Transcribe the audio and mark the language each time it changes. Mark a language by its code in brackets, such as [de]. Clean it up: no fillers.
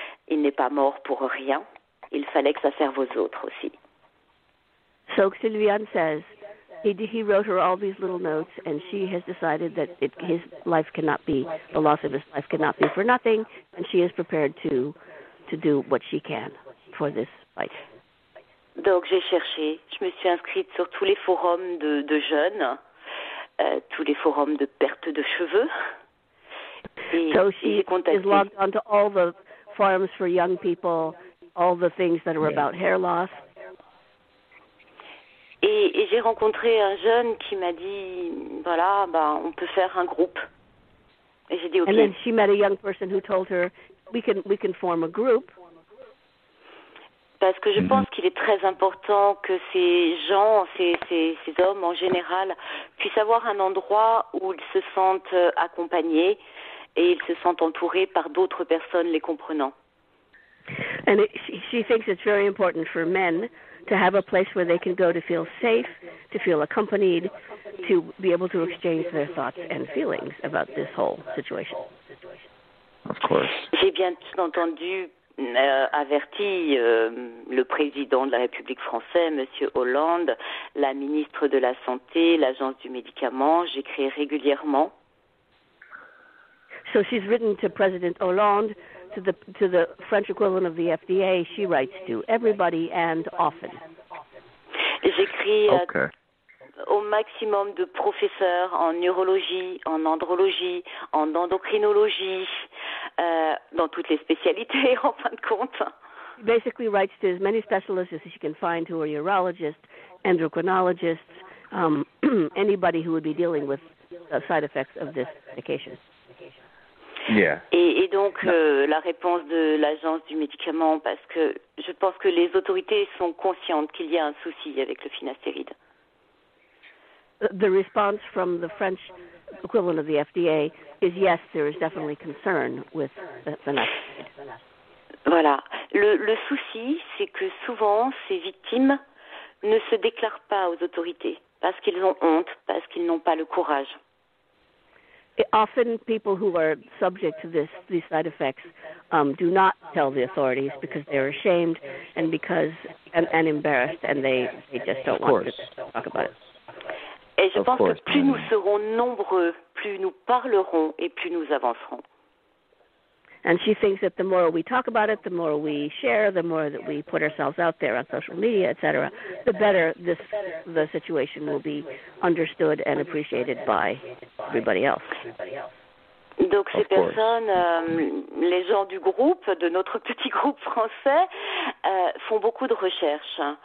[fr] Il n'est pas mort pour rien. Il fallait que ça serve aux autres aussi. [en] So Sylviane says he wrote her all these little notes, and she has decided that the loss of his life cannot be for nothing, and she is prepared to do what she can for this fight. [fr] Donc j'ai cherché, je me suis inscrite sur tous les forums de jeunes, tous les forums de perte de cheveux. Et [en] so she is logged onto all the forums for young people, all the things that are about hair loss. [fr] Et j'ai rencontré un jeune qui m'a dit, voilà, on peut faire un groupe. Et j'ai dit, okay. [en] And then she met a young person who told her, we can form a group. [fr] Parce que je pense qu'il est très important que ces gens, ces hommes en général, puissent avoir un endroit où ils se sentent accompagnés et ils se sentent entourés par d'autres personnes les comprenant. [en] And she thinks it's very important for men to have a place where they can go to feel safe, to feel accompanied, to be able to exchange their thoughts and feelings about this whole situation. Of course. [fr] J'ai bien entendu averti le président de la République française, Monsieur Hollande, la ministre de la Santé, l'agence du médicament. J'écris régulièrement. [en] So she's written to President Hollande, to the French equivalent of the FDA. She writes to everybody and often. [fr] J'écris [en] okay. [fr] au maximum de professeurs en neurologie, en andrologie, en endocrinologie, dans toutes les spécialités, en fin de compte. [en] She basically writes to as many specialists as she can find who are urologists, endocrinologists, anybody who would be dealing with the side effects of this medication. Yeah. [fr] Et donc la réponse de l'agence du médicament, parce que je pense que les autorités sont conscientes qu'il y a un souci avec le finastéride. [en] The response from the French equivalent of the FDA is yes, there is definitely concern with the finasteride. [fr] Voilà. Le souci, c'est que souvent ces victimes ne se déclarent pas aux autorités parce qu'ils ont honte, parce qu'ils n'ont pas le courage. [en] Often people who are subject to these side effects do not tell the authorities because they are ashamed and embarrassed, and they just don't want to talk about it. [fr] Et je pense que plus nous serons nombreux, plus nous parlerons et plus nous avancerons. [en] And she thinks that the more we talk about it, the more we share, the more that we put ourselves out there on social media, etc., the better the situation will be understood and appreciated by everybody else. [fr] Donc ces personnes, les gens du groupe, de notre petit groupe français, font beaucoup de recherches.